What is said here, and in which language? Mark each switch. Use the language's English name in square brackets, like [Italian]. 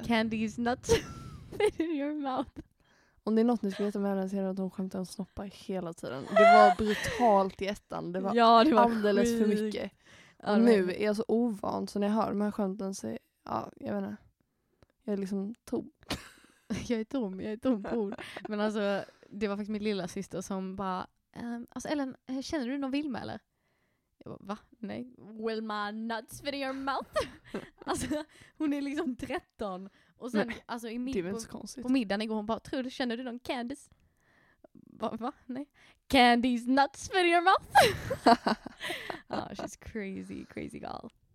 [English] Candy's nuts spit in your mouth. [Swedish] Om det är något ni ska veta med henne så är det att hon skämtar om snoppar hela tiden. Det var brutalt i ettan. Det var, ja, det var alldeles sjuk. För mycket. Ja, nu är jag så ovan så när jag hör de här skämten så är, ja, jag vet inte. Jag är liksom tom. Jag är tom på ord. Men alltså, det var faktiskt min lilla syster som bara alltså Ellen, känner du någon Vilma eller? Jag bara, va? Nej. [English] Will my nuts fit in your mouth? [Swedish] Alltså, hon är liksom 13. Och sen, nej, alltså i på middagen igår hon bara, tror du, känner du någon Candice? Va? Nej. [English] Candy's nuts fit in your mouth? Oh, she's crazy, crazy girl.